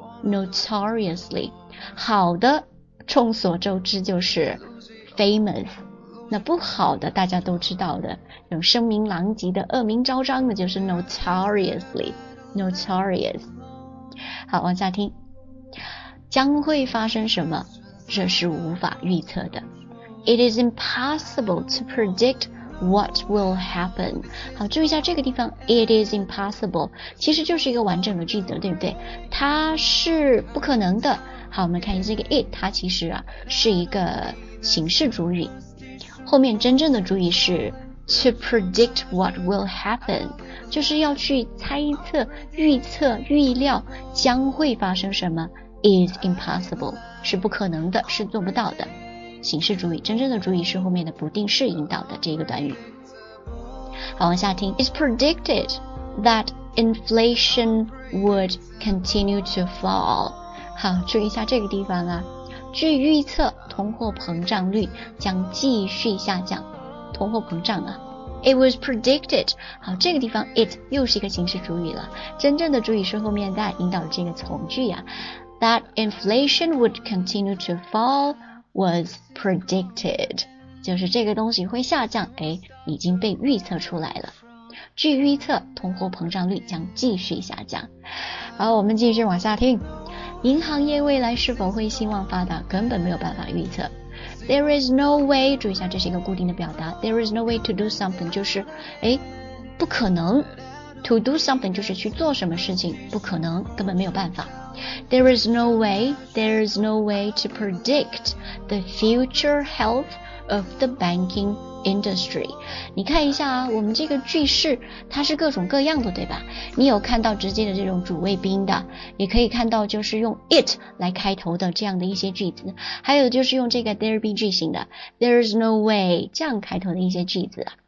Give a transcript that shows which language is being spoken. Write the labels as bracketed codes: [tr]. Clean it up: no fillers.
[zh] notoriously， 好的众所周知就是 famous， 那不好的大家都知道的有声名狼藉的恶名昭彰的就是 notoriously， notorious。好，往下听，将会发生什么，这是无法预测的。 [en] It is impossible to predict what will happen。 [zh] 好，注意一下这个地方， [en] It is impossible [zh] 其实就是一个完整的句子，对不对？它是不可能的。好，我们看这个 it， 它其实啊是一个形式主语，后面真正的主语是 [en] to predict what will happen， [zh] 就是要去猜测、预测、预料将会发生什么。 [en] Is impossible [zh] 是不可能的，是做不到的。形式主语，真正的主语是后面的不定式引导的这个短语。好，往下听。 [en] It's predicted that inflation would continue to fall。 [zh] 好，注意一下这个地方啊。据预测，通货膨胀率将继续下降。通货膨胀啊。 [en] It was predicted。 [zh] 好，这个地方 it 又是一个形式主语了，真正的主语是后面 that 引导这个从句啊。 [en] That inflation would continue to fall was predicted， [zh] 就是这个东西会下降，哎，已经被预测出来了。据预测，通货膨胀率将继续下降。好，我们继续往下听。银行业未来是否会兴旺发达，根本没有办法预测。 [en] There is no way， [zh] 注意一下，这是一个固定的表达。 [en] There is no way to do something， [zh] 就是，哎，不可能。 [en] To do something [zh] 就是去做什么事情，不可能，根本没有办法。 [en] There is no way to predict the future health of the banking industry。 [zh] 你看一下啊，我们这个句式它是各种各样的，对吧？你有看到直接的这种主谓宾的，也可以看到就是用 it 来开头的这样的一些句子，还有就是用这个 there be 句型的 [en] there is no way [zh] 这样开头的一些句子。